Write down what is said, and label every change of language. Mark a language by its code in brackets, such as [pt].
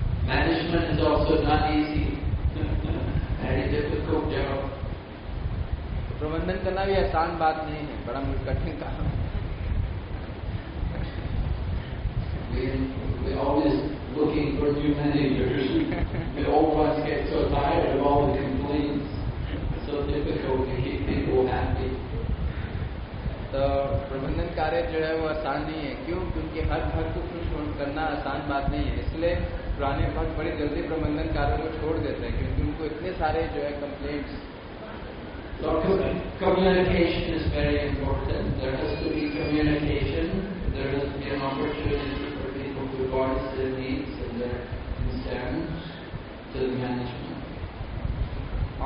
[en] Management is also not easy and it's a difficult job. [hi] प्रबंधन करना भी आसान बात नहीं है, बड़ा मुझे कठिन काम है। [en] We always looking for new managers. We always get so tired of all the complaints. It's so difficult to keep people happy. [hi] तो प्रबंधन कार्य जो है वो आसान नहीं है, क्यों? क्योंकि हर भक्त को खुश करना आसान बात नहीं है, इसलिए पुराने भक्त बड़ी जल्दी प्रबंधन कार्य को छोड़ देते हैं क्योंकि उनको इतने सारे जो है complaints. [en] Communication is very important, there has to be communication, there has to be an opportunity for people to voice their needs and their concerns to the management.